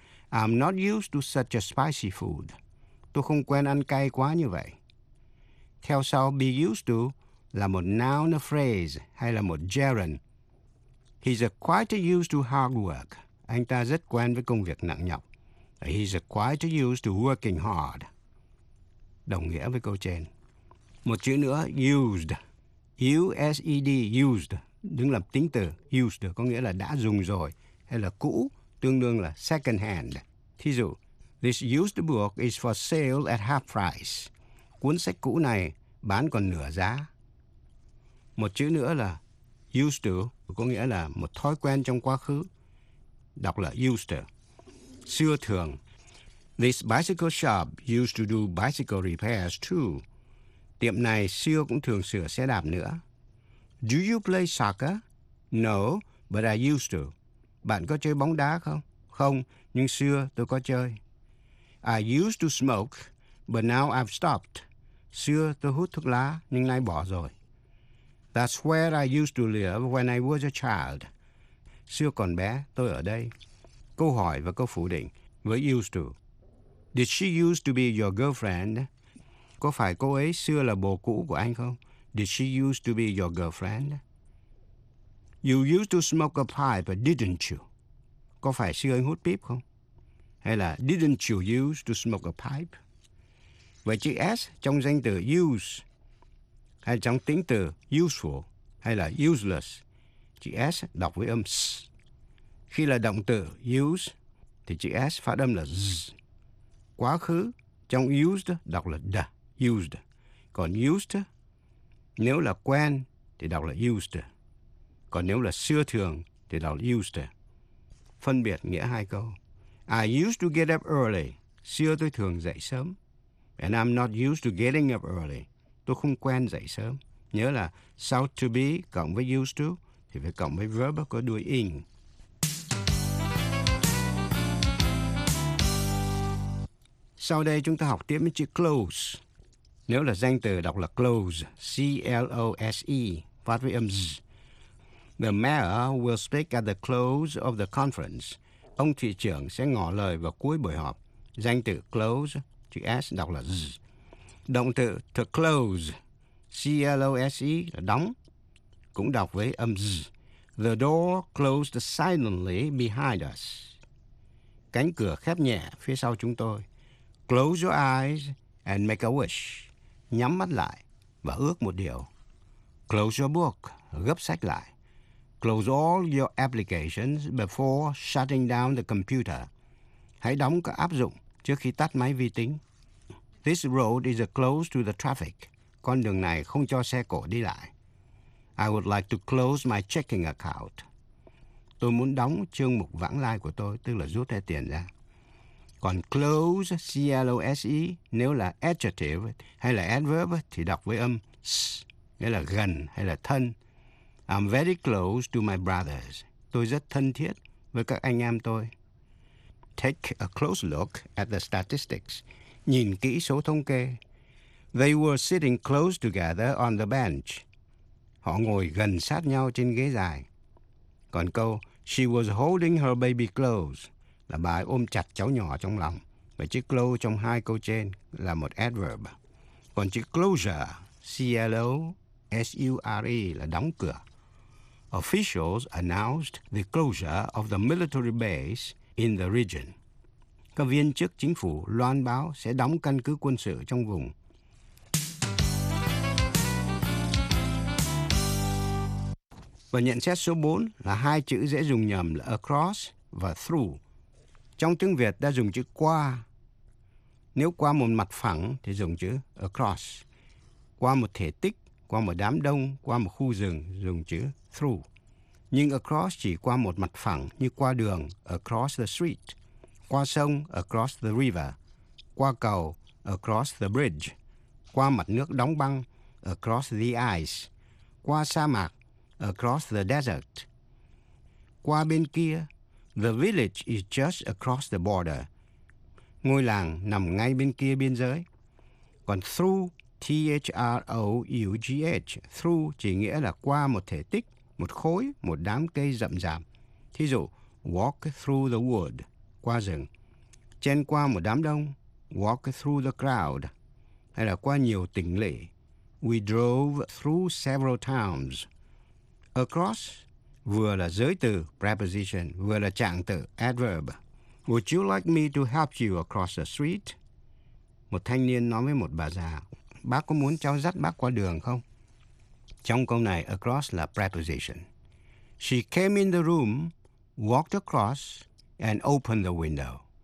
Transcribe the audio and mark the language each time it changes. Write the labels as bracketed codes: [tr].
[en] I'm not used to such a spicy food. [vi] Tôi không quen ăn cay quá như vậy. Theo sau, be used to là một noun a phrase hay là một gerund. [en] He's a quite used to hard work. [vi] Anh ta rất quen với công việc nặng nhọc. [en] He's a quite used to working hard. [vi] Đồng nghĩa với câu trên. Một chữ nữa, used. U-S-E-D, used. Đứng làm tính từ. Used có nghĩa là đã dùng rồi hay là cũ, tương đương là second hand. Thí dụ, [en] this used book is for sale at half price. [vi] Cuốn sách cũ này bán còn nửa giá. Một chữ nữa là used to, có nghĩa là một thói quen trong quá khứ. Đọc là used to. Xưa thường, [en] this bicycle shop used to do bicycle repairs too. [vi] Tiệm này xưa cũng thường sửa xe đạp nữa. [en] Do you play soccer? No, but I used to. [vi] Bạn có chơi bóng đá không? Không, nhưng xưa tôi có chơi. [en] I used to smoke, but now I've stopped. [vi] Xưa tôi hút thuốc lá, nhưng nay bỏ rồi. [en] That's where I used to live when I was a child. [vi] Xưa còn bé, tôi ở đây. Câu hỏi và câu phủ định với used to. [en] Did she used to be your girlfriend? [vi] Có phải cô ấy xưa là bồ cũ của anh không? [en] Did she used to be your girlfriend? You used to smoke a pipe, didn't you? [vi] Có phải xưa anh hút pip không? Hay là [en] didn't you used to smoke a pipe? [vi] Vậy chữ S trong danh từ use hay trong tính từ useful hay là useless? Chữ S đọc với âm S. Khi là động từ use thì chữ S phát âm là Z. Quá khứ trong used đọc là the, used. Còn used nếu là quen thì đọc là used. Còn nếu là xưa thường thì đọc là used. Phân biệt nghĩa hai câu. [en] I used to get up early. [vi] Xưa tôi thường dậy sớm. [en] And I'm not used to getting up early. [vi] Tôi không quen dậy sớm. Nhớ là sau to be cộng với used to thì phải cộng với verb có đuôi ing. Sau đây chúng ta học tiếp với chữ close. Nếu là danh từ đọc là close. C-L-O-S-E. Phát với âm Z. [en] The mayor will speak at the close of the conference. [vi] Ông thị trưởng sẽ ngỏ lời vào cuối buổi họp. Danh từ close, chữ S đọc là Z. Động từ to close, C-L-O-S-E là đóng. cũng đọc với âm z. [en] The door closed silently behind us. [vi] Cánh cửa khép nhẹ phía sau chúng tôi. [en] Close your eyes and make a wish. [vi] Nhắm mắt lại và ước một điều. [en] Close your book. [vi] Gấp sách lại. [en] Close all your applications before shutting down the computer. [vi] Hãy đóng các áp dụng trước khi tắt máy vi tính. [en] This road is closed to the traffic. [vi] Con đường này không cho xe cộ đi lại. [en] I would like to close my checking account. [vi] Tôi muốn đóng chương mục vãng lai của tôi, tức là rút hết tiền ra. Còn close, C-L-O-S-E, nếu là adjective hay là adverb thì đọc với âm S, nghĩa là gần hay là thân. [en] I'm very close to my brothers. [vi] Tôi rất thân thiết với các anh em tôi. [en] Take a close look at the statistics. [vi] Nhìn kỹ số thống kê. [en] They were sitting close together on the bench. [vi] Họ ngồi gần sát nhau trên ghế dài. Còn câu, [en] she was holding her baby close, [vi] là bà ấy ôm chặt cháu nhỏ trong lòng. Vậy chữ close trong hai câu trên là một adverb. Còn chữ closure, C-L-O-S-U-R-E, là đóng cửa. [en] Officials announced the closure of the military base in the region. [vi] Các viên chức chính phủ loan báo sẽ đóng căn cứ quân sự trong vùng. Và nhận xét số 4 là hai chữ dễ dùng nhầm là across và through. Trong tiếng Việt ta dùng chữ qua. Nếu qua một mặt phẳng thì dùng chữ across. Qua một thể tích, qua một đám đông, qua một khu rừng dùng chữ through. Nhưng across chỉ qua một mặt phẳng như qua đường, [en] across the street. [vi] Qua sông, [en] across the river. [vi] Qua cầu, [en] across the bridge. [vi] Qua mặt nước đóng băng, [en] across the ice. [vi] Qua sa mạc, [en] across the desert. [vi] Qua bên kia, [en] the village is just across the border. [vi] Ngôi làng nằm ngay bên kia biên giới. Còn through, T-H-R-O-U-G-H, through chỉ nghĩa là qua một thể tích, một khối, một đám cây rậm rạp. Thí dụ, [en] walk through the wood, [vi] qua rừng. Chen qua một đám đông, [en] walk through the crowd. [vi] Hay là qua nhiều tỉnh lỵ. [en] We drove through several towns. [vi] Across vừa là giới từ, preposition, vừa là trạng từ, adverb. [en] Would you like me to help you across the street? [vi] Một thanh niên nói với một bà già, bác có muốn cháu dắt bác qua đường không? Trong câu này, across là preposition. [en] She came in the room, walked across, and opened the window.